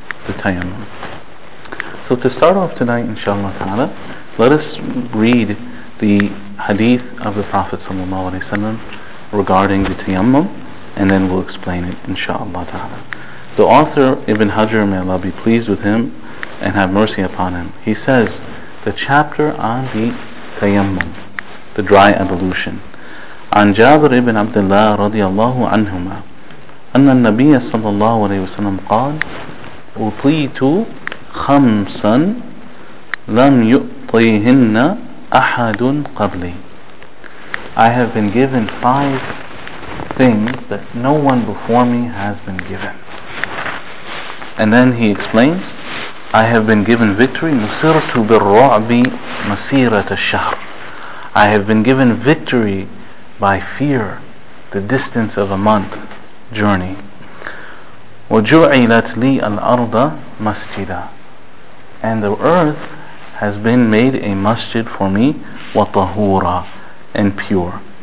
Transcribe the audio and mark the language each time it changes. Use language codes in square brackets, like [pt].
[en] The tayammum. So to start off tonight, inshallah ta'ala, let us read the hadith of the Prophet sallallahu alayhi wa sallam regarding the tayammum, and then we'll explain it, inshallah ta'ala. The author, Ibn Hajar, may Allah be pleased with him and have mercy upon him, he says, the chapter on the tayammum, the dry ablution. [ar] عن جابر ابن عبد الله رضي الله عنهما أن النبي صلى الله عليه وسلم قال أطيت خمسا لم يؤطيهن أحد قبلي. [en] I have been given five things that no one before me has been given. And then he explains, I have been given victory. [ar] نصرت بالرعب مسيرة الشهر. [en] I have been given victory by fear, the distance of a month journey. [ar] وَجُعِلَتْ لِي الْأَرْضَ مَسْجِدًا. [en] And the earth has been made a masjid for me, وَطَهُورًا, and pure.